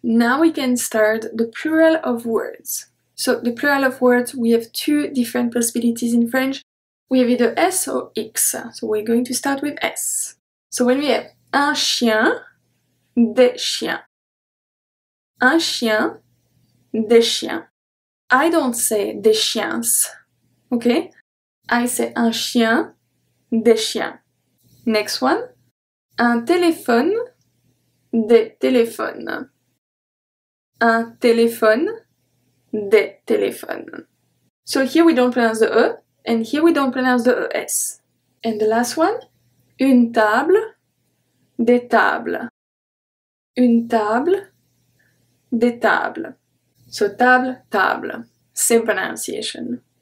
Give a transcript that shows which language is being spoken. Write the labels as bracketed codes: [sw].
[en] Now we can start the plural of words. So the plural of words, we have two different possibilities in French. We have either S or X, so we're going to start with S. So when we have [fr] un chien, des chiens. Un chien, des chiens. [en] I don't say [fr] des chiens, [en] okay? I say [fr] un chien, des chiens. [en] Next one. [fr] Un téléphone, des téléphones. Un téléphone, des téléphones. [en] So here we don't pronounce the E, and here we don't pronounce the ES. And the last one. [fr] Une table, des tables. Une table, des tables. [en] So table, table. Same pronunciation.